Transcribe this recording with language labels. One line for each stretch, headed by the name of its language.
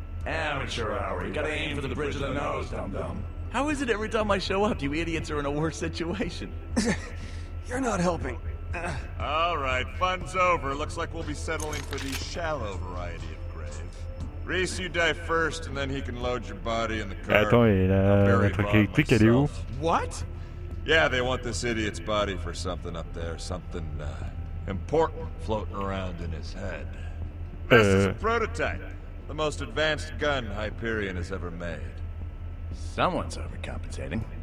English: Amateur hour. You gotta aim for the bridge of the nose, dum-dum. How is it every time I show up, you idiots are in a worse situation? You're not helping. All right, fun's over. Looks like we'll be settling for the shallow variety of grave. Reese, you die first, and then he can load your body in the car.
French: Attends, et la truc électrique, elle est où?
English: What? Yeah, they want this idiot's body for something up there. Something, important floating around in his head. This is a prototype. The most advanced gun Hyperion has ever made. Someone's overcompensating.